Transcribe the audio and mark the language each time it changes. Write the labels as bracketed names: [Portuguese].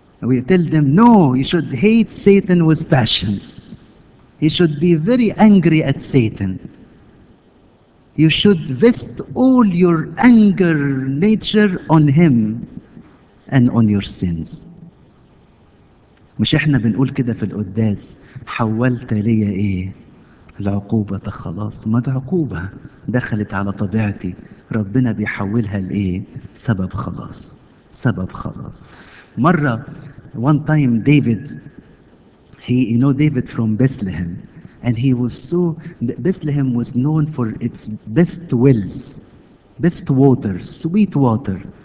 [English] We tell them no, you should hate Satan with passion, you should be very angry at Satan, you should vest all your anger nature on him and on your sins. [Arabic] مش احنا بنقول كده في القداس حولت ليا ايه؟ العقوبة خلاص، ما العقوبة دخلت على طبيعتي، ربنا بيحولها لايه؟ سبب خلاص، سبب خلاص. [English] مرة one time David you know David from Bethlehem and he was so Bethlehem was known for its best wells, best water, sweet water.